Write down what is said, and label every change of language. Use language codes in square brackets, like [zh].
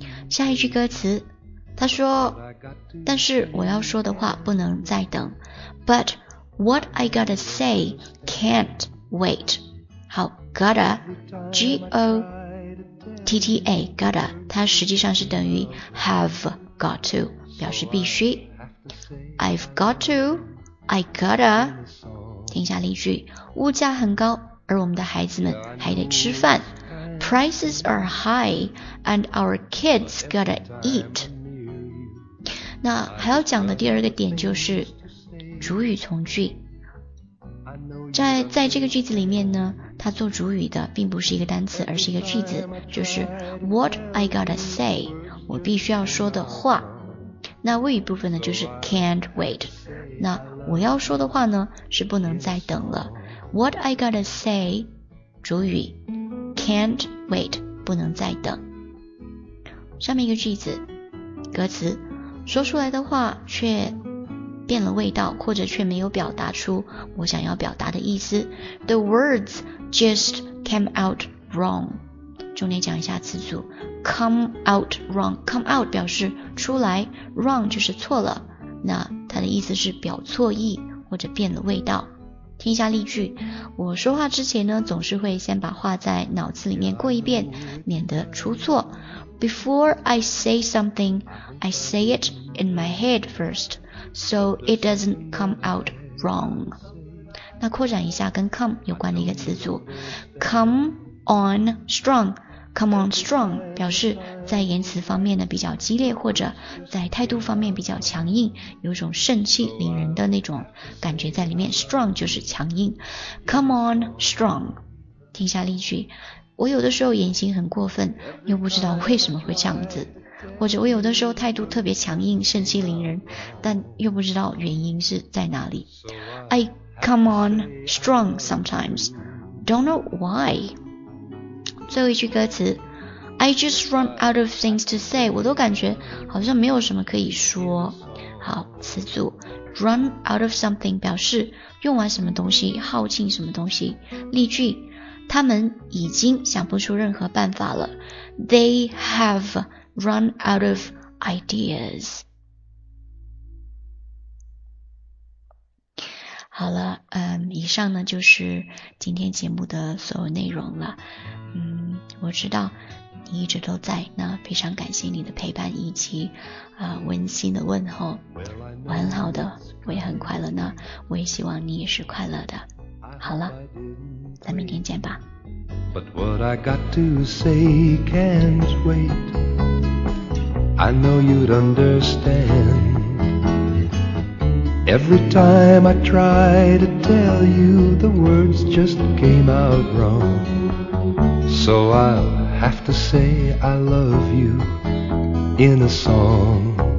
[zh] 下一句歌词，他说，但是我要说的话不能再等。 [en] But what I gotta say can't wait. [zh] 好 ，gotta, G-O-T-T-A, gotta， 它实际上是等于 have got to。表示必须。 [en] I've got to, I gotta. [zh] 听一下例句，物价很高，而我们的孩子们还得吃饭。 [en] Prices are high, and our kids gotta eat. [zh] 那还要讲的第二个点就是主语从句。在这个句子里面呢，它做主语的并不是一个单词，而是一个句子，就是 [en] What I gotta say， [zh] 我必须要说的话。那谓语部分呢就是 can't wait， 那我要说的话呢是不能再等了。 [en] What I gotta say [zh] 主语 [en] can't wait [zh] 不能再等。上面一个句子歌词，说出来的话却变了味道，或者却没有表达出我想要表达的意思。 [en] The words just came out wrong。 [zh] 重点讲一下词组come out wrong， come out 表示出来， wrong 就是错了，那它的意思是表错意或者变了味道。听一下例句，我说话之前呢，总是会先把话在脑子里面过一遍，免得出错。 [en] Before I say something, I say it in my head first, so it doesn't come out wrong. [zh] 那扩展一下跟 come 有关的一个词组 ，come on strong。 Come on strong 表示在言辞方面呢比较激烈，或者在态度方面比较强硬，有种盛气凌人的那种感觉在里面。 Strong 就是强硬。Come on strong， 听一下例句：我有的时候言行很过分，又不知道为什么会这样子；或者我有的时候态度特别强硬，盛气凌人，但又不知道原因是在哪里。 [en] I come on strong sometimes, don't know why. [zh] 最后一句歌词 [en] I just run out of things to say， [zh] 我都感觉好像没有什么可以说。好，词组 run out of something 表示用完什么东西，耗尽什么东西。例句，他们已经想不出任何办法了， [en] They have run out of ideas。 [zh] 好了，以上呢就是今天节目的所有内容了。我知道你一直都在，那非常感谢你的陪伴以及温馨的问候。我很好的，我也很快乐呢，我也希望你也是快乐的。好了，咱明天见吧。 [en] But what I got to say can't wait, I know you'd understand. Every time I try to tell you, the words just came out wrongSo I'll have to say I love you in a song.